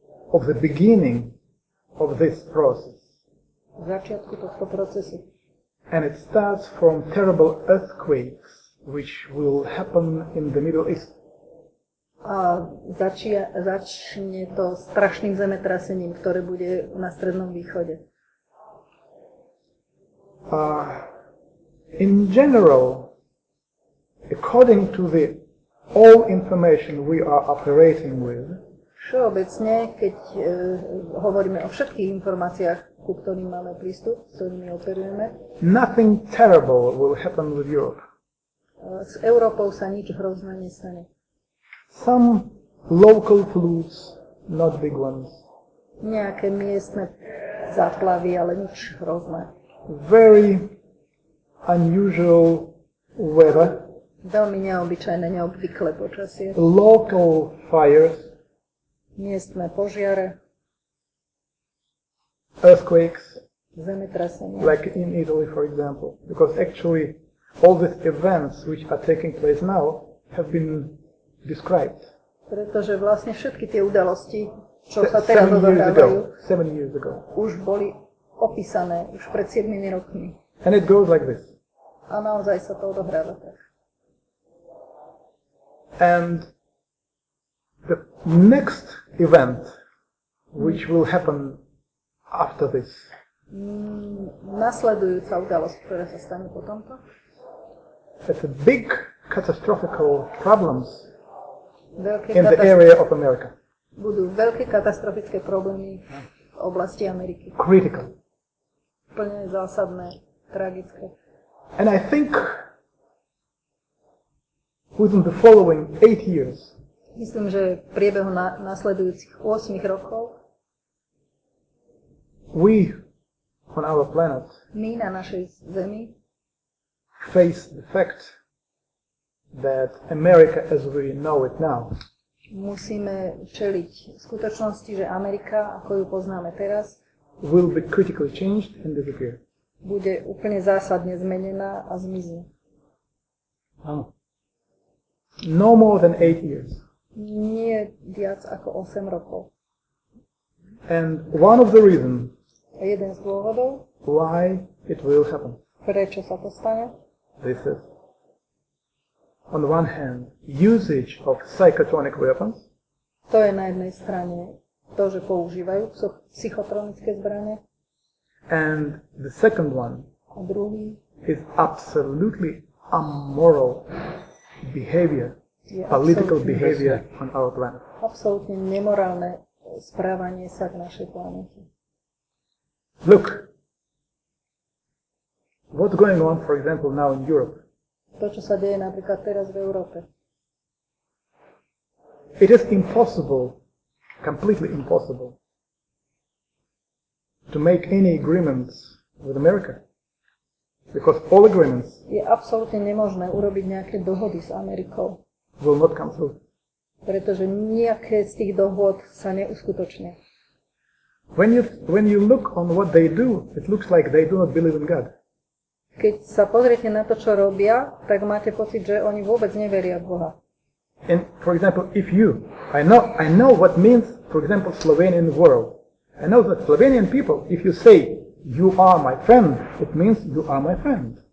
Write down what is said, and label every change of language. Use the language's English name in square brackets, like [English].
[English] of the beginning of this process. [Slovak] Začiatku tohto procesu. [English] And it starts from terrible earthquakes which will happen in the Middle East. [Slovak] A začne to strašným zemetrasením, ktoré bude na Strednom východe. [English] In general, according to the all information we are operating with, [Slovak] všeobecne, keď hovoríme o všetkých informáciách, ku ktorým máme prístup, s ktorými operujeme, [English] nothing terrible will happen with Europe. [Slovak] S Európou sa nič hrozné nestane. [English] Some local floods, not big ones. [Slovak] Nejaké miestne záplavy, ale nič hrozné. [English] Very unusual weather. [Slovak] Veľmi neobyčajné, neobvyklé počasie. [English] Local fires. [Slovak] Miestne požiare. [English] Earthquakes. [Slovak] Zemetrasenia. [English] Like in Italy, for example. Because actually, all these events which are taking place now have been described. [Slovak] Pretože vlastne všetky tie udalosti, čo sa teraz odohrávajú, už boli opísané už pred 7 rokmi. [English] And it goes like this. [Slovak] A naozaj sa to odohráva tak. [English] And the next event which will happen after this. [Slovak] Nasledujúca udalosť, ktorá sa stane po tomto. [English] It's a big catastrophical problems. In the area of America. [Slovak] Budú veľké katastrofické problémy v oblasti Ameriky. [English] Critical. [Slovak] Plne zásadné, tragické. [English] And I think within the following 8 years. [Slovak] Myslím, že v priebehu nasledujúcich 8 rokov [English] we on our planet [Slovak] my na našej Zemi [English] face the fact that America as we know it now. [Slovak] Musíme čeliť skutočnosti, že Amerika, ako ju poznáme teraz, [English] will be critically changed and disappear. [Slovak] Bude úplne zásadne zmenená a zmizne. Áno. [English] No more than 8 years. [Slovak] Nie viac ako 8 rokov. [English] And one of the reason. [Slovak] A jeden z dôvodov. [English] Why it will happen. [Slovak] Prečo sa to stane? [English] This is on the one hand, usage of psychotronic weapons. [Slovak] To je na jednej strane to, že používajú psychotronické zbrane. [English] And the second one. [Slovak] A druhý [English] is absolutely immoral behavior, political behavior on our planet. [Slovak] Absolútne nemorálne správanie sa k našej planete. [English] Look. What's going on, for example, now in Europe? [Slovak] To, čo sa deje napríklad teraz v Európe. [English] It is impossible, completely impossible, to make any agreements with America. Because all agreements [Slovak] je absolútne nemožné urobiť nejaké dohody s Amerikou. [English] Will not come through. [Slovak] Pretože nejaké z tých dohod sa neuskutočne. [English] When you look on what they do, it looks like they do not believe in God. [Slovak] Keď sa pozriete na to, čo robia, tak máte pocit, že oni vôbec neveria v Boha. [English] And for example, if you, I know what means, for example, Slovenian world. I know that Slovenian people, if you say, you are my friend, it means you are my friend.